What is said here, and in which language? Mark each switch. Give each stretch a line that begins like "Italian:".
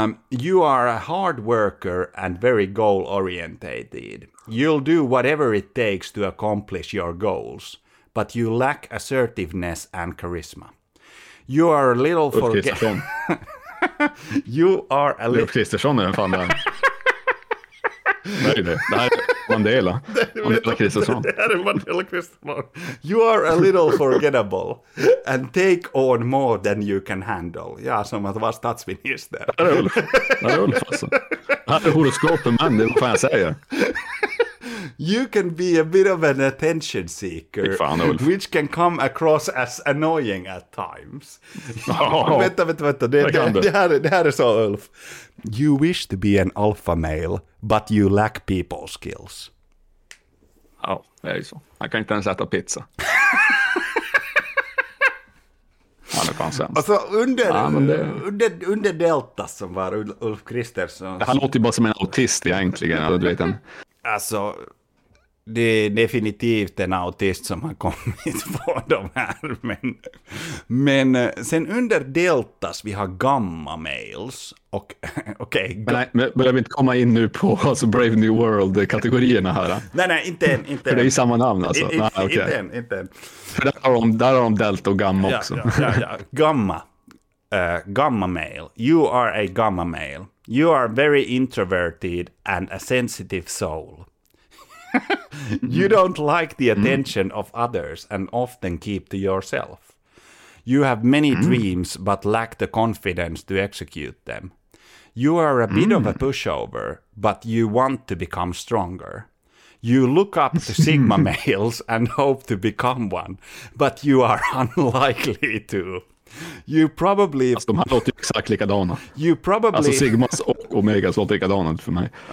English: You are a hard worker and very goal-orientated. You'll do whatever it takes to accomplish your goals, but you lack assertiveness and charisma. You are a little forgetful. You are a
Swedish: little Kristersson är en fan där. Nej, det Mandela. Mandela Kristersson. Det är Mandela Kristersson.
English: You are a little forgettable and take on more than you can handle.
Swedish: Ja, som att vara statsminister. Det är horoskopen, man, det får jag säga.
English: You can be a bit of an attention seeker, which can come across as annoying at times.
Swedish: Oh, vänta, det här är så, Ulf.
English: You wish to be an alpha male, but you lack people skills.
Swedish: Ja, oh, det är ju så. Jag kan inte ens äta pizza. Alltså under delta som var Ulf Kristersson. Han låter bara som en autist egentligen, eller du vet en. Alltså, det är definitivt en autist som har kommit på de här. Men sen under deltas vi har gamma-mails. Och, okay, men jag vill inte komma in nu på alltså Brave New World-kategorierna här. Nej, inte. För det är ju samma namn alltså. Inte. Där har de delta och gamma också.
English: Ja. Gamma-mail. You are a gamma-mail. You are very introverted and a sensitive soul. You don't like the attention of others and often keep to yourself. You have many dreams but lack the confidence to execute them. You are a bit of a pushover, but you want to become stronger. You look up to Sigma males and hope to become one, but you are unlikely to. You probably...
Swedish: Alltså, de här låter ju exakt likadana.
English: You probably...
Swedish: Alltså, Sigmas och Omegas låter likadana för mig.